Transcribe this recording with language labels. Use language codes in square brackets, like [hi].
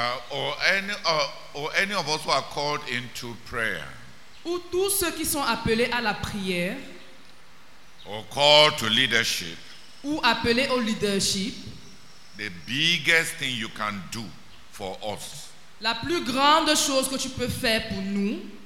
[en] Or any of us who are called into prayer. [fr] Ou tous ceux qui sont appelés à la prière. [en] Or called to leadership. [fr] Ou appelés au leadership. [en] The biggest thing you can do for us. [fr] La plus grande chose que tu peux faire pour nous.